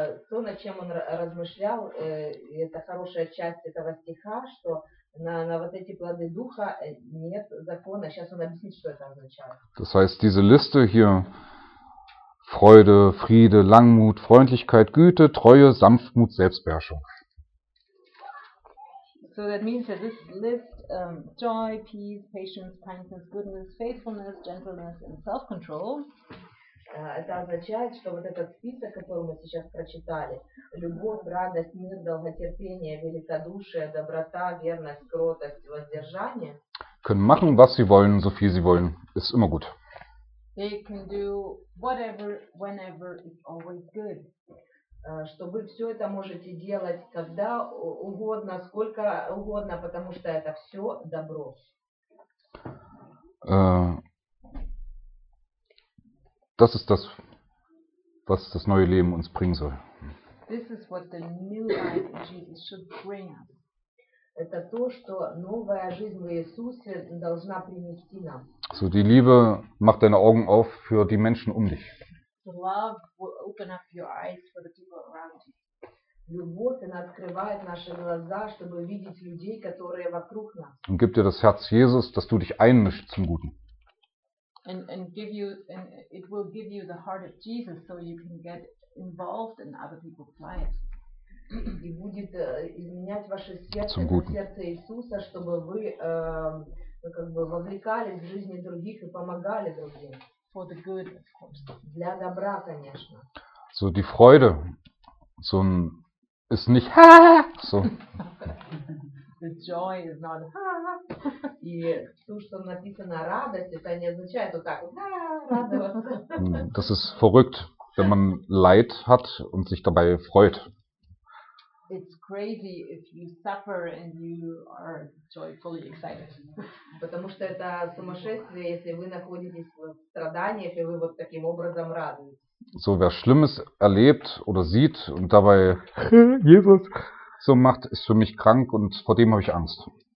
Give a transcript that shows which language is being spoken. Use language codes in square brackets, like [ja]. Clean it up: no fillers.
[ru] То, над чем он размышлял, это хорошая часть этого стиха, что на вот эти плоды духа нет закона. Сейчас он объяснит, что это означает. [de] Das heißt, diese Liste hier: Freude, Friede, Langmut, Freundlichkeit, Güte, Treue, Sanftmut, Selbstbeherrschung. [en] So that means that this list, joy, peace, patience, kindness, goodness, faithfulness, gentleness, and self-control. [ru] Это означает, что вот этот список, который мы сейчас прочитали, любовь, радость, мир, долготерпение, великодушие, доброта, верность, кротость, воздержание. [de] Können machen, was sie wollen, so viel sie wollen, ist immer gut. [en] They can do whatever, whenever, it's always good. [ru] Что вы все это можете делать когда угодно, сколько угодно, потому что это все добро. [de] Das ist das, was das neue Leben uns bringen soll. [en] This is what the new life Jesus should bring us. [ru] Это то, что новая жизнь в Иисусе должна принести нам. [de] So, die Liebe macht deine Augen auf für die Menschen um dich. [en] Love will open up your eyes for the people around you. [ru] Любовь, она открывает наши глаза, чтобы видеть людей, которые вокруг нас. [de] Und gibt dir das Herz Jesus, dass du dich einmischst zum Guten. [en] And it will give you the heart of Jesus, so you can get involved in other people's lives. [ru] И будет изменять ваше сердце, сердце Иисуса, чтобы вы как бы вовлекались в жизни других и помогали другим. [en] For the good, of course. [ru] Для добра, конечно. [de] So die Freude, so ein, ist nicht ha so. [en] The joy is not ha. [ru] И то, что написано радость, это не означает вот так вот ha радоваться. [de] Das ist verrückt, wenn man Leid hat und sich dabei freut. [en] It's crazy if you suffer and you are joyfully excited. [ru] Потому что это сумасшествие, если вы находитесь в страданиях и вы вот таким образом радуетесь. [de] So, wer Schlimmes erlebt oder sieht und dabei Jesus so macht, ist für mich krank und vor dem habe ich Angst.